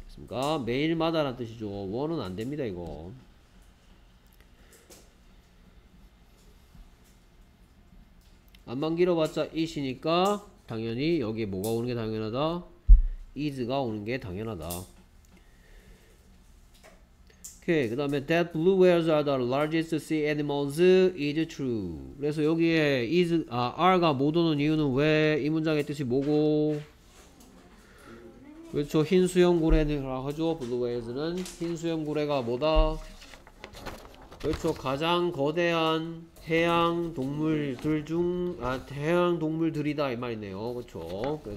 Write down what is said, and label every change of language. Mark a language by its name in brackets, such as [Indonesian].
[Korean] 그러니까 매일마다라는 뜻이죠. 원은 안 됩니다, 이거. 안만 길어봤자 is이니까 당연히 여기에 뭐가 오는 게 당연하다? is가 오는 게 당연하다. 오케이. [English] 그다음에 that blue whales are the largest sea animals is true. [Korean] 그래서 여기에 are가 못 오는 이유는 왜? 이 문장의 뜻이 뭐고? 그렇죠. 흰 수염 고래라고 하죠. 블루 웨일즈는 흰 수염 고래가 뭐다? 그렇죠. 가장 거대한 해양 동물들이다 이 말이네요. 그렇죠.